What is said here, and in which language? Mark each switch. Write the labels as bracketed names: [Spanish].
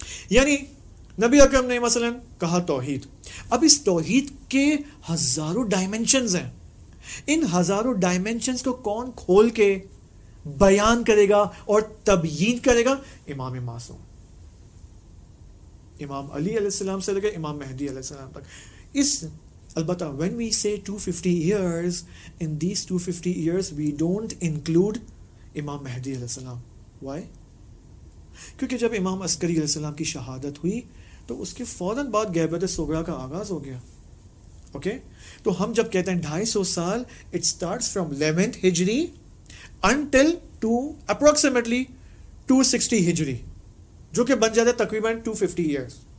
[Urdu] یعنی نبی اکرم نے مثلا کہا توحید, اب اس توحید کے ہزاروں ڈائمنشنز ہیں, ان ہزاروں ڈائمنشنز کو کون کھول کے بیان کرے گا اور تبیین کرے گا؟ امام معصوم, امام علی علیہ السلام سے لے کے امام مہدی علیہ السلام تک. اس البتہ [English] when we say 250 years, in these 250 years we don't include امام Mahdi علیہ السلام. Why? [Urdu] کیونکہ جب امام عسکری علیہ السلام کی شہادت ہوئی تو اس کے فوراً بعد غیبت صغرا کا آغاز ہو گیا. اوکے, تو ہم جب کہتے ہیں 250 سال, [English] it starts from 11th ہجری until to approximately [Urdu] 260 ہجری, جو کہ بن جاتا ہے تقریباً 250 ایئرس.